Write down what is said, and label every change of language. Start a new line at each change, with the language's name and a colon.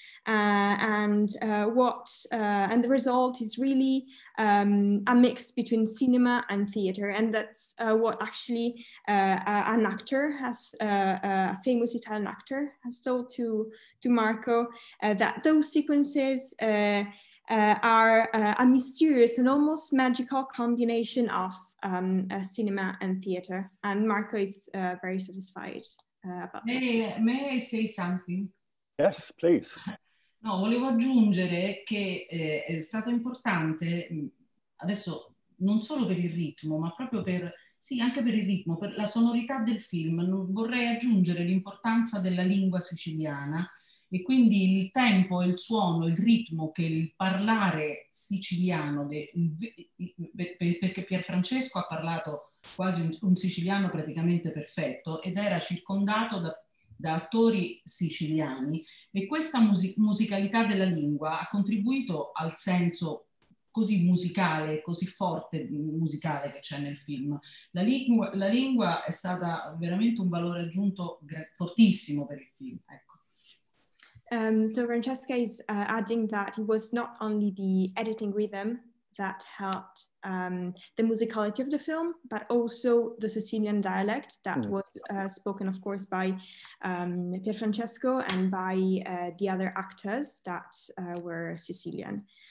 English: And the result is really a mix between cinema and theater, and that's what actually an actor has, a famous Italian actor has told to Marco, that those sequences are a mysterious and almost magical combination of cinema and theater, and Marco is very satisfied about that. May I say something? Yes, please.
Italian: No, volevo aggiungere che è stato importante adesso non solo per il ritmo, ma proprio per sì, anche per il ritmo, per la sonorità del film. Vorrei aggiungere l'importanza della lingua siciliana e quindi il tempo, il suono, il ritmo che il parlare siciliano, perché Pierfrancesco ha parlato quasi un siciliano praticamente perfetto ed era circondato da attori siciliani, e questa musicalità della lingua ha contribuito al senso così musicale, così forte musicale che c'è nel film. La lingua è stata veramente un valore aggiunto fortissimo per il film, ecco.
English: So Francesca is adding that it was not only the editing rhythm that helped the musicality of the film, but also the Sicilian dialect that was spoken, of course, by Pierfrancesco and by the other actors that were Sicilian.